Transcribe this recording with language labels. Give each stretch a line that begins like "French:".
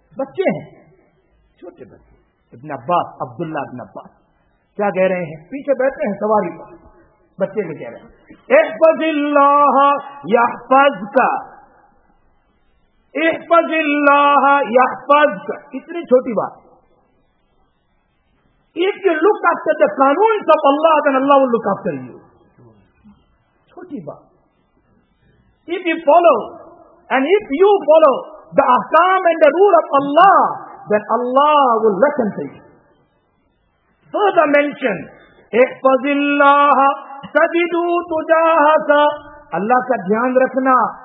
Urdu: Bacche hain, chote bacche. ابن عباس, عبداللہ ابن عباس کیا کہہ رہے ہیں؟ پیچھے بیٹھے ہیں سواری پر, بچے بھی کہہ رہے ہیں,
Arabic: احفظ اللہ یحفظک, احفظ اللہ یحفظک.
Urdu: اتنی چھوٹی بات.
English: If you look after the قانونز of Allah, then Allah will look after you.
Urdu: چھوٹی بات.
English: If you follow and if you follow the احکام and the rule of Allah, then Allah will listen to you. Further mentioned,
Arabic: احفظ اللہ تجدو تجاہتا,
Urdu: اللہ کا دھیان رکھنا.